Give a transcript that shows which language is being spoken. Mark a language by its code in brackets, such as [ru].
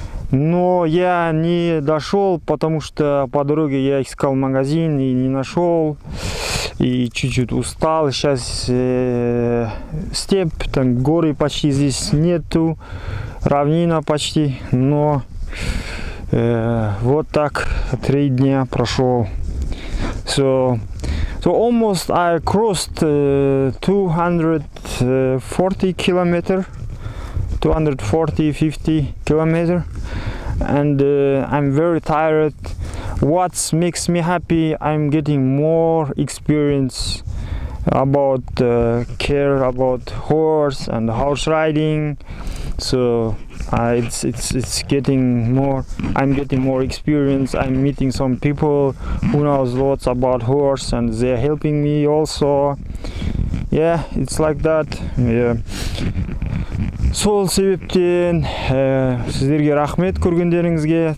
[ru] Но я не дошел, потому что по дороге я искал магазин и не нашел, и чуть-чуть устал. Сейчас степь, там горы почти здесь нету, равнина почти, но вот так 3 дня прошел. [en] So almost I crossed 240-50 kilometers, and I'm very tired. What makes me happy, I'm getting more experience about care about horse and horse riding. So it's getting more, I'm getting more experience. I'm meeting some people who knows lots about horse, and they're helping me also. Yeah, it's like that. [kk] Yeah, сол себептен сіздерге рахмет, көргендеріңізге.